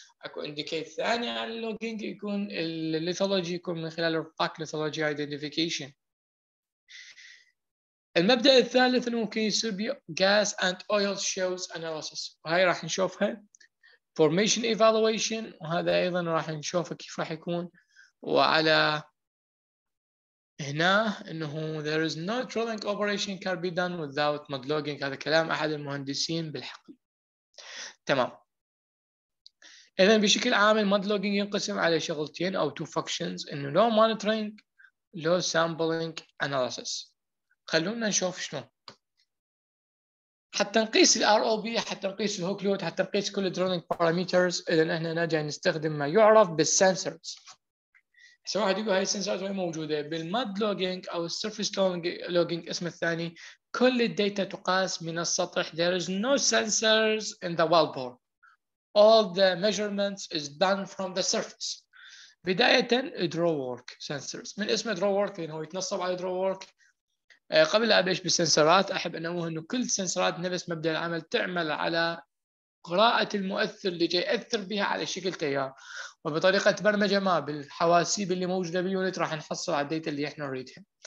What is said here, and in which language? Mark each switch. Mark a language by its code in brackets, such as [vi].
[ar] اكو انديكيت ثاني عن اللوجينج يكون الليثولوجي، يكون من خلال الروك ليثولوجي ايدنتيفيكيشن. المبدأ الثالث اللي ممكن يصير بي [en] gas and oil shows analysis، [ar] وهي راح نشوفها [en] formation evaluation، [ar] وهذا أيضا راح نشوفه كيف راح يكون. وعلى هنا إنه [en] there is no drilling operation can be done without mud logging، [ar] هذا كلام أحد المهندسين بالحقل. تمام. إذا بشكل عام mud logging ينقسم على شغلتين أو [en] two functions، [ar] إنه [en] low monitoring low sampling analysis. [ar] خلونا نشوف شلون حتى نقيس ال ROB، حتى نقيس الهوك لود، حتى نقيس كل الدرولينج باراميترز. اذا احنا نجي نستخدم ما يعرف بالسنسرز. سواء واحد يقول هاي السنسرز وين موجوده، بالمد لوجينج او السيرفيس لوجينج اسم الثاني، كل الداتا تقاس من السطح. [en] There is no sensors in the wellbore. All the measurements is done from the surface. [ar] بدايه درو ورك سنسرز، من اسم درو ورك لانه يتنصب على درو ورك. قبل أبلش بالسنسرات أحب أنوه أنه كل سنسرات نفس مبدأ العمل، تعمل على قراءة المؤثر اللي جاي يأثر بها على شكل تيار، وبطريقة برمجة ما بالحواسيب اللي موجودة باليونت راح نحصل على الداتا اللي إحنا نريدها.